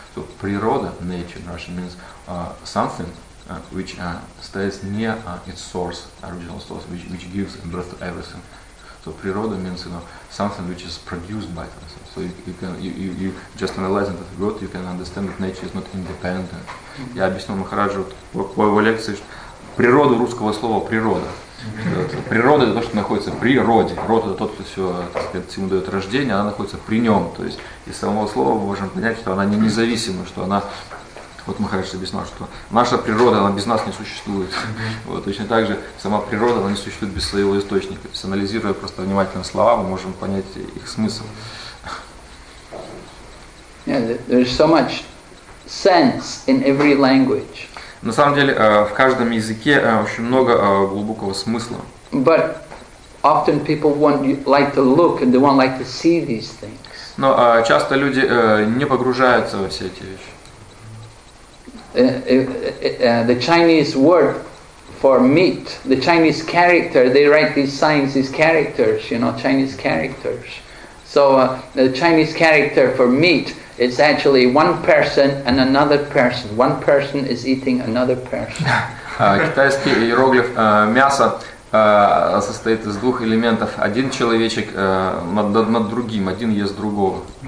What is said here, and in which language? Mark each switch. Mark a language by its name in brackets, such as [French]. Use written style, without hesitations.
[English] So природа, nature in Russian, means something which stays near its source, original source, which gives birth to everything. So природа means, you know, something which is produced by something. So you just analyzing that word, you can understand that nature is not independent. [Russian] Я объяснил Махараджу в его лекции, что природа русского слова природа. Природа — это то, что находится в природе. Род — это тот, кто все, так сказать, всему дает рождение, она находится при нем. То есть из самого слова мы можем понять, что она не независима, что она. Вот Махарадж объяснял, что наша природа, она без нас не существует. Вот, точно так же сама природа, она не существует без своего источника. То есть, анализируя просто внимательно слова, мы можем понять их смысл. [English] Yeah, there's so much sense in every language. [Russian] На самом деле, в каждом языке очень много глубокого смысла. [English] But often people want like to look and they want like to see these things. [Russian] Но часто люди не погружаются во все эти вещи. [English] The Chinese word for meat, the Chinese character, they write these signs, these characters, you know, Chinese characters. So the Chinese character for meat, it's actually one person and another person. One person is eating another person. [Russian] Китайский иероглиф мяса состоит из двух элементов. Один человечек над другим, один ест другого.